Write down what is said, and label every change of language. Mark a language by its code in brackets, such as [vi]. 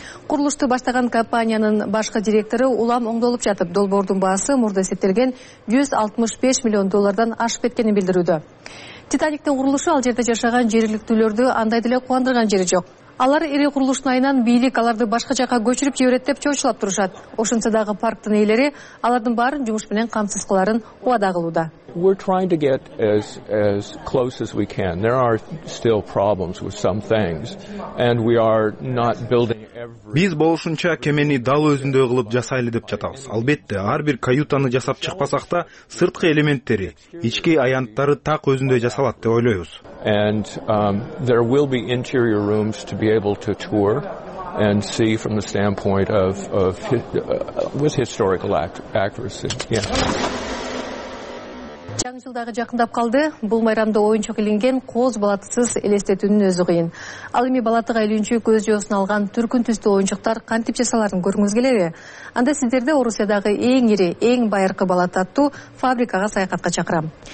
[ky] Курулушту баштаган компаниянын башкы директору улам оңдолуп жатып, долбоордун баасы мурда эсептелген 165 миллион доллардан ашып кеткенин билдирүүдө. Титаниктин курулушу ал жерде жашаган жергиликтүүлөрдү андай деле кубандырган жери жок. Алар ири курулуштун айынан бийлик аларды башка жака көчүрүп жиберет деп чоочулап турушат. Ошентсе дагы парктын ээлери алардын баарын жумуш менен камсыз кыларын убада кылууда. [en] We're trying to get as close as we can. There are still problems with some things and we are not building every. [ky] Биз болушунча кемени дал өзүндөй кылып жасайлы деп жатабыз. Албетте, ар бир каютаны жасап чыкпасак да, сырткы элементтери, ички аянттары так өзүндөй жасалат деп ойлойбуз. [en] And there will be interior rooms to be able to tour and see from the standpoint of historical accuracy. Yeah. [ky] Жаңы жыл дагы жакындап калды. Бул майрамда оюнчук илинген кооз балатысыз элестетүүнүн өзү кыйын. Ал эми балатыга илүүчү көз жоосун алган түркүн түстүү оюнчуктар кантип жасаларын көргүңүз келеби? Анда сиздерди Орусиядагы эң ири, эң байыркы балат аттуу фабрикага саякатка чакырам.